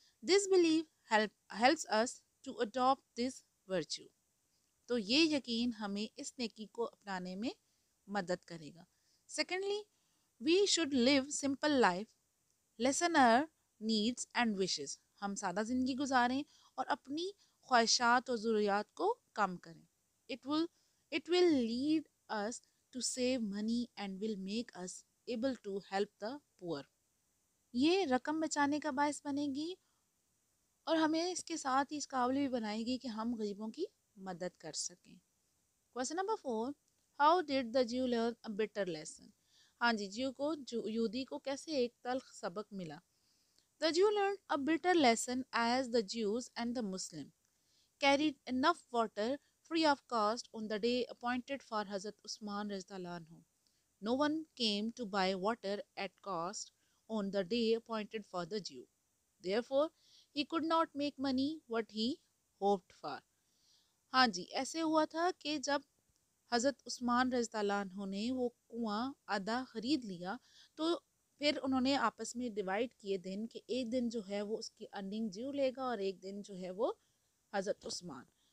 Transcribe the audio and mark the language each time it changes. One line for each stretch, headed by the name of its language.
English: this believe helps us to adopt this virtue,
Hindi: तो ये यकीन हमें इस नेकी को अपनाने में मदद करेगा।
English: secondly, we should live simple life lessen our needs and wishes,
Hindi: हम सादा ज़िंदगी गुजारें और अपनी ख्वाहिशात और ज़रूरियात को कम करें।
English: It will lead us to save money and will make us able to help the poor.
Hindi: ये रकम बचाने का बायस बनेगी और हमें इसके साथ ही इस काबिल भी बनाएगी कि हम गरीबों की मदद कर सकें।
English: question number 4, how did the Jew learn a bitter lesson,
Hindi: हाँ जी, ज्यू को यहूदी को कैसे एक तल्ख सबक मिला।
English: The Jew learn a bitter lesson as the Jews and the Muslim carried enough water free of cost on the day appointed for Hazrat Usman Rajdalan Ho. No one came to buy water at cost on the day appointed for the Jew. Therefore, he could not make money what he hoped for.
Hindi: हाँ जी, ऐसे हुआ था कि जब हज़रत उस्मान रज़ियल्लाहु अन्हु ने वो कुआँ आधा ख़रीद लिया तो फिर उन्होंने आपस में डिवाइड किए दिन कि एक दिन जो है वो उसकी अर्निंग ज्यू लेगा और एक दिन जो है वो हज़रत उस्मान।